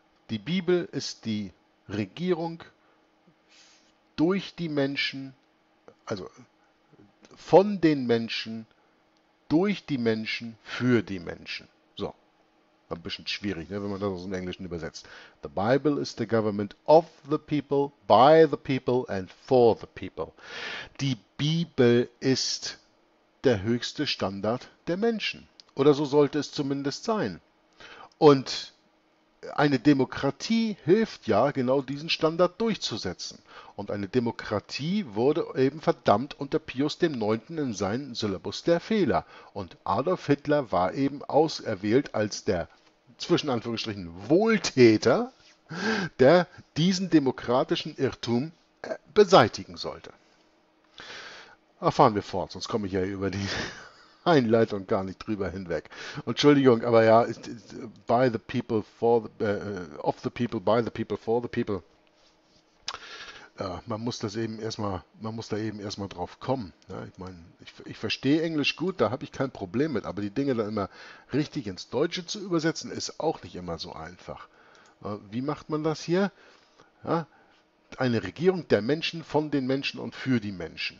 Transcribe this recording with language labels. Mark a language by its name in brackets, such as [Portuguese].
[German] Die Bibel ist die Regierung durch die Menschen, also von den Menschen, durch die Menschen, für die Menschen. So, ein bisschen schwierig, ne, wenn man das aus dem Englischen übersetzt. [English] The Bible is the government of the people, by the people and for the people. [German] Die Bibel ist der höchste Standard der Menschen. Oder so sollte es zumindest sein. Und Eine Demokratie hilft ja, genau diesen Standard durchzusetzen. Und eine Demokratie wurde eben verdammt unter Pius dem Neunten in seinen Syllabus der Fehler. Und Adolf Hitler war eben auserwählt als der, zwischen Anführungsstrichen, Wohltäter, der diesen demokratischen Irrtum beseitigen sollte. Aber fahren wir fort, sonst komme ich ja über die Einleitung gar nicht drüber hinweg. Entschuldigung, aber ja, [English] by the people, for the, of the people, by the people, for the people. [German] Ja, man muss da eben erstmal drauf kommen. Ja, ich meine, ich verstehe Englisch gut, da habe ich kein Problem mit, aber die Dinge dann immer richtig ins Deutsche zu übersetzen, ist auch nicht immer so einfach. Wie macht man das hier? Ja, eine Regierung der Menschen, von den Menschen und für die Menschen.